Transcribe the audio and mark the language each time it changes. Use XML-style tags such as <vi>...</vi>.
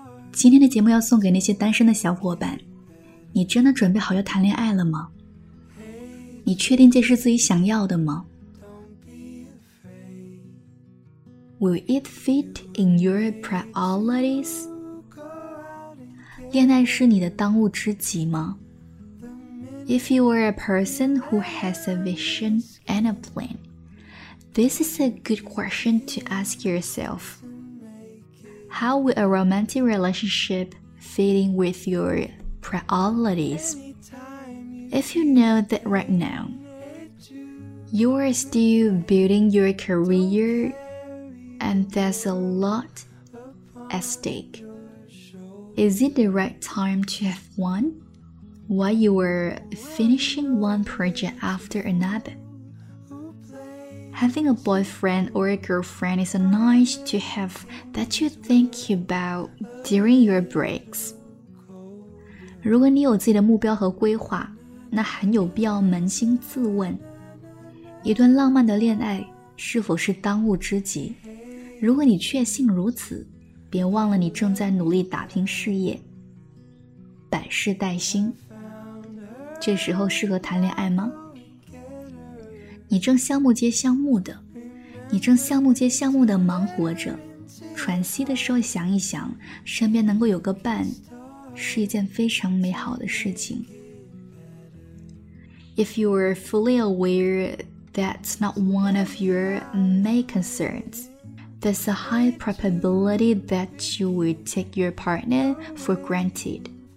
<zh>今天的节目要送给那些单身的小伙伴，你真的准备好要谈恋爱了吗？你确定这是自己想要的吗？</zh> <en>Will it fit in your priorities?</en> <zh>恋爱是你的当务之急吗？</zh> <en>If you are a person who has a vision and a plan, this is a good question to ask yourself. How will a romantic relationship fit in with your priorities? If you know that right now, you are still building your career and there's a lot at stake. Is it the right time to have one? While you were finishing one project after another? Having a boyfriend or a girlfriend is a nice to have that you think about during your breaks.</en> <zh>如果你有自己的目标和规划，那很有必要扪心自问，一段浪漫的恋爱是否是当务之急？如果你确信如此，别忘了你正在努力打拼事业，百事待兴，这时候适合谈恋爱吗？你正项目接项目的，你正项目接项目的忙活着，喘息的时候想一想，身边能够有个伴是一件非常美好的事情。</zh> <en>If you are fully aware that's not one of your main concernsThere's a high probability that you will take your partner for granted.</en>